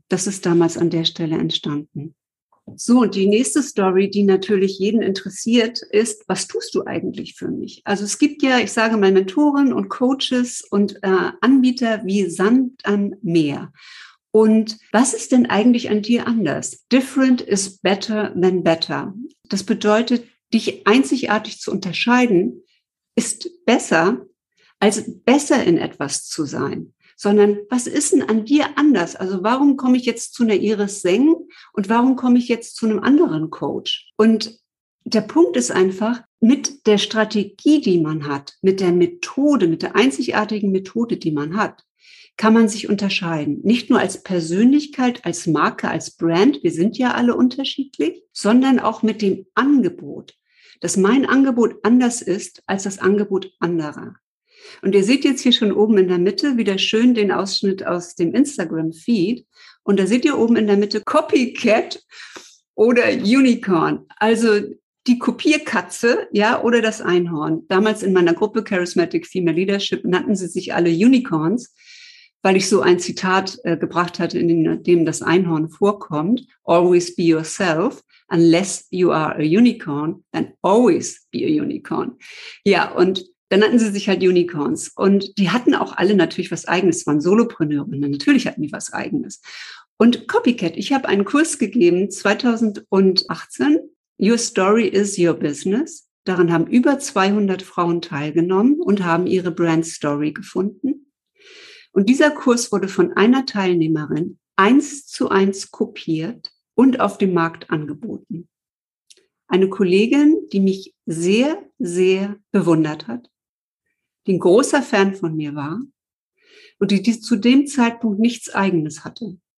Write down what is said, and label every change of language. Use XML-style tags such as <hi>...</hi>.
<de>Das ist damals an der Stelle entstanden. So, und die nächste Story, die natürlich jeden interessiert, ist, was tust du eigentlich für mich? Also es gibt ja, ich sage mal, Mentoren und Coaches und Anbieter wie Sand am Meer. Und was ist denn eigentlich an dir anders?</de> <en>Different is better than better.</en> <de>Das bedeutet, dich einzigartig zu unterscheiden, ist besser als besser in etwas zu sein. sondern was ist denn an dir anders? Also warum komme ich jetzt zu einer Iris Seng und warum komme ich jetzt zu einem anderen Coach? Und der Punkt ist einfach, mit der Strategie, die man hat, mit der Methode, mit der einzigartigen Methode, die man hat, kann man sich unterscheiden. Nicht nur als Persönlichkeit, als Marke, als Brand, wir sind ja alle unterschiedlich, sondern auch mit dem Angebot, dass mein Angebot anders ist als das Angebot anderer. Und ihr seht jetzt hier schon oben in der Mitte wieder schön den Ausschnitt aus dem Instagram-Feed. Und da seht ihr oben in der Mitte Copycat oder Unicorn. Also die Kopierkatze, ja, oder das Einhorn. Damals in meiner Gruppe Charismatic Female Leadership nannten sie sich alle Unicorns, weil ich so ein Zitat gebracht hatte, in dem das Einhorn vorkommt.</de> <en>Always be yourself. Unless you are a unicorn, then always be a unicorn.</en> <de>Ja, und dann nannten sie sich halt Unicorns. Und die hatten auch alle natürlich was Eigenes. Es waren Solopreneure. Natürlich hatten die was Eigenes. Und Copycat, ich habe einen Kurs gegeben 2018.</de> <en>Your story is your business.</en> <de>Daran haben über 200 Frauen teilgenommen und haben ihre Brand Story gefunden. Und dieser Kurs wurde von einer Teilnehmerin 1:1 kopiert und auf dem Markt angeboten. Eine Kollegin, die mich sehr, sehr bewundert hat, die ein großer Fan von mir war und die zu dem Zeitpunkt nichts Eigenes hatte.</de>